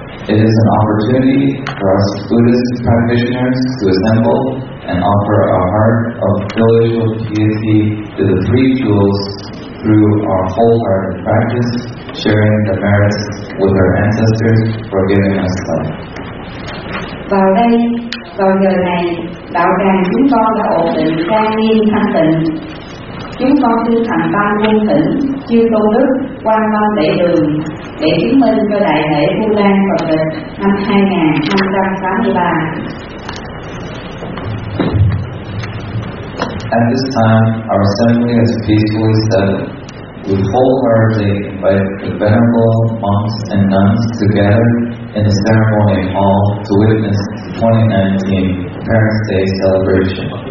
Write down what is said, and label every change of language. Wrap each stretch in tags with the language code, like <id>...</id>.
<en>It is an opportunity for us Buddhist practitioners to assemble and offer a heart of filial piety to the three jewels through our wholehearted practice, sharing the merits with our ancestors for giving us life.</en> <vi>Vào đây, vào giờ này, đạo tràng chúng con đã ổn định trang nghiêm thanh tịnh. Chúng con xin thành tâm nguyện tỉnh, chư tôn đức quan tâm lễ đường để chứng minh cho đại lễ Vu Lan Phật lịch năm 2023.</vi> <en>At this time, our assembly is peacefully settled. We wholeheartedly invite the venerable monks and nuns to gather in the ceremony hall to witness the 2019 Parents Day celebration.</en>